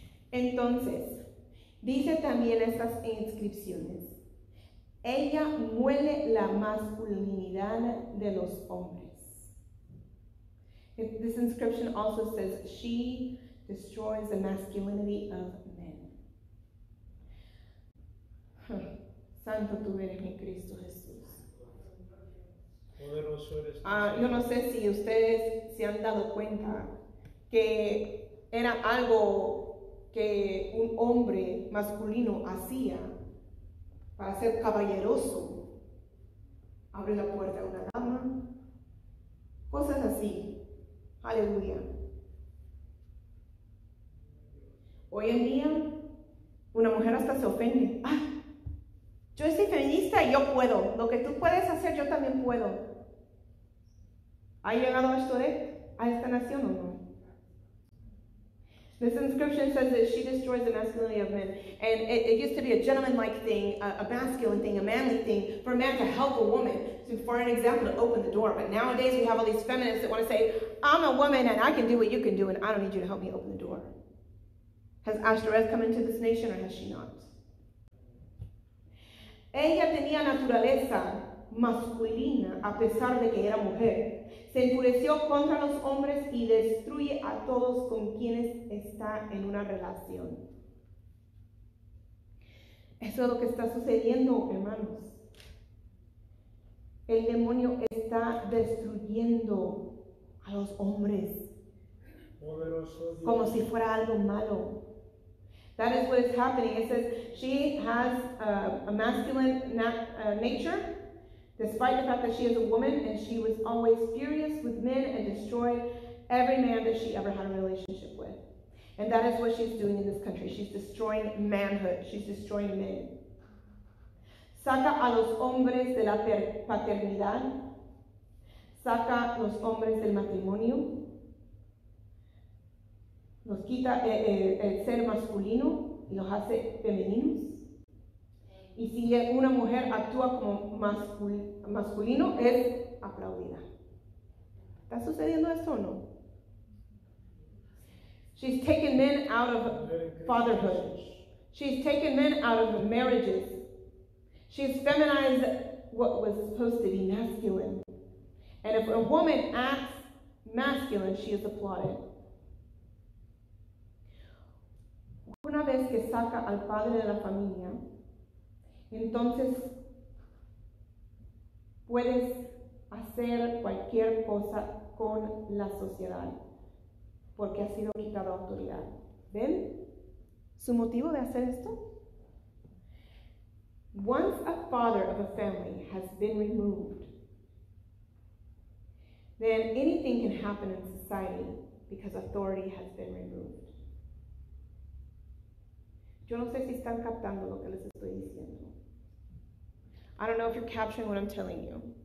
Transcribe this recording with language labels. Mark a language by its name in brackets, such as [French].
[Spanish] Entonces, dice también estas inscripciones: ella muele la masculinidad de los hombres. [English] This inscription also says, she destroys the masculinity of men. [Spanish] Santo tú eres mi Cristo Jesús. Poderoso eres tú, Yo no sé si ustedes se han dado cuenta que era algo que un hombre masculino hacía para ser caballeroso. Abre la puerta a una dama. Cosas así. Aleluya. Hoy en día, una mujer hasta se ofende. Ah, yo soy feminista y yo puedo. Lo que tú puedes hacer, yo también puedo. ¿Ha llegado esto a esta nación o no? [English] This inscription says that she destroys the masculinity of men. And it used to be a gentleman-like thing, a masculine thing, a manly thing, for a man to help a woman, to, for an example, to open the door. But nowadays we have all these feminists that want to say, I'm a woman and I can do what you can do and I don't need you to help me open the door. Has Ashtoreth come into this nation or has she not? [Spanish] Ella tenía naturaleza masculina, a pesar de que era mujer, se enfureció contra los hombres y destruye a todos con quienes está en una relación. Eso es lo que está sucediendo, hermanos. El demonio está destruyendo a los hombres como si fuera algo malo. [English] That is what is happening. It says she has a masculine nature, despite the fact that she is a woman, and she was always furious with men and destroyed every man that she ever had a relationship with. And that is what she's doing in this country. She's destroying manhood. She's destroying men. [Spanish] Saca a los hombres de la paternidad. Saca los hombres del matrimonio. Los quita el ser masculino y los hace femeninos. Y si una mujer actúa como masculino, es aplaudida. ¿Está sucediendo eso o no? [English] She's taken men out of fatherhood. She's taken men out of marriages. She's feminized what was supposed to be masculine. And if a woman acts masculine, she is applauded. [Spanish] Una vez que saca al padre de la familia, entonces puedes hacer cualquier cosa con la sociedad porque ha sido quitado autoridad. ¿Ven su motivo de hacer esto? [English] Once a father of a family has been removed, then anything can happen in society because authority has been removed. [Spanish] Yo no sé si están captando lo que les estoy diciendo. [English] I don't know if you're capturing what I'm telling you.